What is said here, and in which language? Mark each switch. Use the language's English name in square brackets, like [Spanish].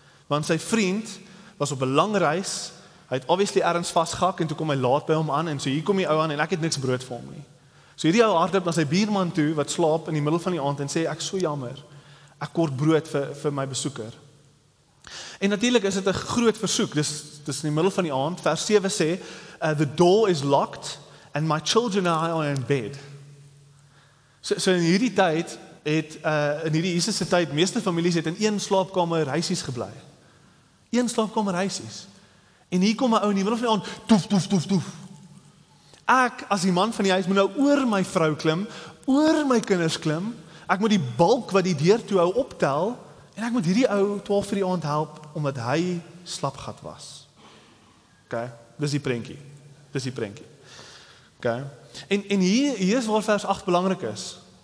[Afrikaans] Want sy vriend was op 'n lang reis, hy het obviously ergens vasgehak en toe kom hy laat by hom aan en so hier kom die ou aan en ek het niks brood vir hom nie. So hierdie ou hardloop na sy buurman toe wat slaap in die middel van die aand en sê ek so jammer, ek kort brood vir my besoeker. En natuurlik is dit 'n groot versoek, dis in die middel van die aand. Vers 7 sê, [English] the door is locked and my children and I are in bed. [Afrikaans] So in hierdie tyd het in hierdie Jesus se tyd, meeste families het in een slaapkamer huisies gebly. Een slaapkamer huisies. En hier kom 'n ou in die middel van die aand, toef, toef, toef, toef. Ek, as die man van die huis, moet nou oor my vrou klim, oor my kinders klim, ek moet die balk wat die deur toe hou optel, en ek moet hierdie ou 12 vir die aand help, omdat hy slapgat was. Okay, dis die prentjie. Okay. En hier is waar vers 8 belangrijk is.